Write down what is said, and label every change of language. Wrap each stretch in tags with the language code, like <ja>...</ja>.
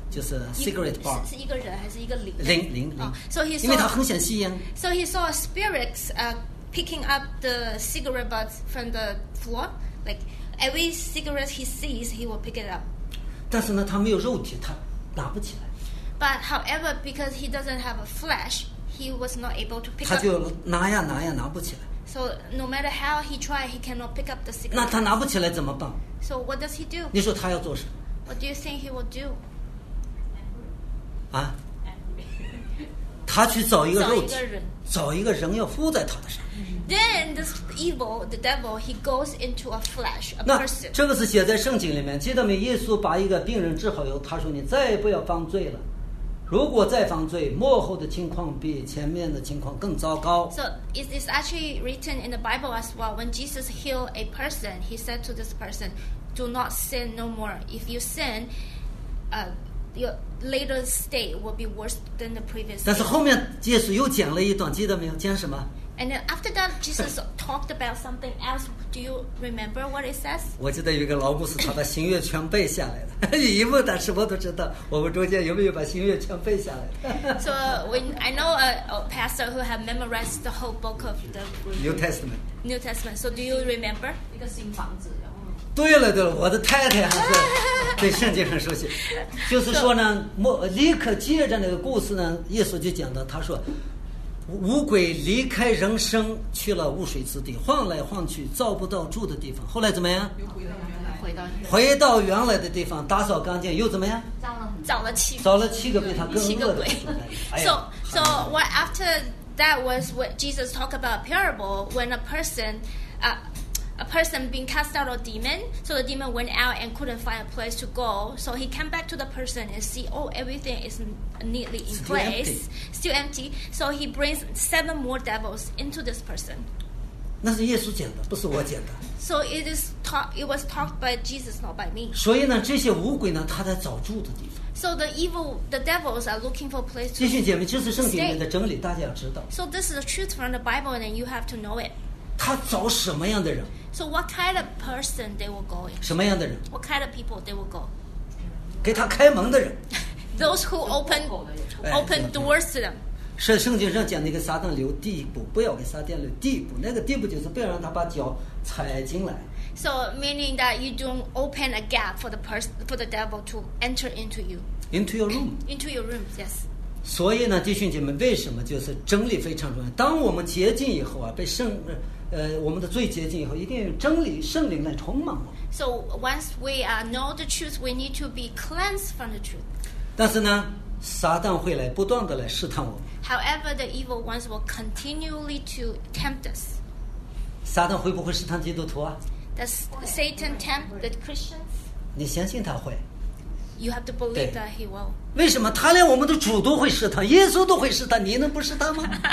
<zh>就是</zh> <en>cigarette bar</en> <zh>是一个人还是一个灵灵</zh> <en>啊、so he saw,</en> <zh>因为他很想吸烟。</zh> <en>So he saw spirits picking up the cigarette butts from the floor, like every cigarette he sees, he will pick it up.</en> <zh>但是呢，他没有肉体，他拿不起来。</zh> <en>But however, because he doesn't have a flesh, he was not able to pick up.</en> <zh>他就拿呀拿呀拿不起来。</zh> <en>So no matter how he tried, he cannot pick up the cigarette.</en> <zh>那他拿不起来怎么办？</zh> <en>So what does he do?</en> <zh>你说他要做什么？</zh> <en>What do you think he will do?</en> <zh>啊？他去找一个肉体，找一个人要附在他的身上。</zh> <en>Then this evil, the devil, he goes into a flesh, a person.</en> <zh>那这个是写在圣经里面，记得没？耶稣把一个病人治好以后，他说：“你再不要犯罪了。” 如果再犯罪，末后的情况比前面的情况更糟糕。</zh> <en>So it is actually written in the Bible as well. When Jesus healed a person, he said to this person, "Do not sin no more. If you sin, your later state will be worse than the previous."</en> <zh>但是后面耶稣又讲了一段，记得没有？讲什么？</zh> <en>And then after that, Jesus talked about something else. Do you remember what it says?</en> <zh>我记得有一个老牧师，他把新约全背下来了。一问他什么都知道。我们中间有没有把新约全背下来了？</zh> <en>So when I know a pastor who have memorized the whole book of the New Testament. New Testament. So do you remember?</en> <zh>一个新房子。对了对了，我的太太还是对圣经很熟悉。就是说呢，立刻接着那个故事呢，耶稣就讲到，他说五鬼离开人身去了污水之地，晃来晃去找不到住的地方，后来怎么样？回到原来的地方，打扫干净，又怎么样？找了七个比他更恶的鬼。</zh> <en>So what after that was what Jesus talked about a parable when a person being cast out of a demon. So the demon went out and couldn't find a place to go. So he came back to the person and see, oh, everything is neatly in place. Still empty. So he brings 7 more devils into this person.</en> <zh>那是耶稣讲的，不是我讲的。</zh> <en>So it was talked by Jesus, not by me.</en> <zh>所以呢，这些五鬼呢，他在找住的地方。</zh> <en>So the devils are looking for a place to stay.</en> <zh>弟兄姐妹，这是圣经里的真理，大家要知道。</zh> <en>So this is the truth from the Bible, and you have to know it.</en> <zh>他找什么样的人</zh> <en>？So what kind of person they will go in？</en> <zh>什么样的人</zh> <en>？What kind of people they will go？</en> <zh>给他开门的人。</zh> <en>Those who open doors to them。</en> <zh>是圣经上讲那个撒旦留地步，不要给撒旦留地步。那个地步就是不要让他把脚踩进来。</zh> <en>So meaning that you don't open a gap for the devil to enter into you。 Into your room。 Into your room, yes。</en> <zh>所以呢，弟兄姐妹，为什么就是真理非常重要？当我们洁净以后啊，被圣，我们的罪洁净以后，一定要真理、圣灵来充满我们。</zh> <en>So once we know the truth, we need to be cleansed from the truth.</en> <zh>但是呢，撒旦会来不断的来试探我们。</zh> <en>However, the evil ones will continually to tempt us.</en> <zh>撒旦会不会试探基督徒啊</zh> <en>？Does Satan tempt the Christians?</en> <zh>你相信他会。</zh> <en>You have to believe that he will.</en> <zh>为什么他连我们的主都会试探，耶稣都会试探，你能不试探吗？</zh>